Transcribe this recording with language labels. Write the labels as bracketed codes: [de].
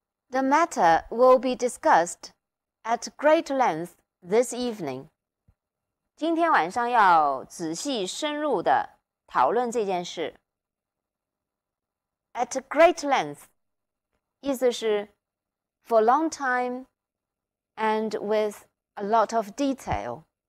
[en] The matter will be discussed at great length this evening. [zh] 今天晚上要仔细深入的讨论这件事。 [en] At great length, [zh] 意思是 [en] for a long time and with a lot of detail.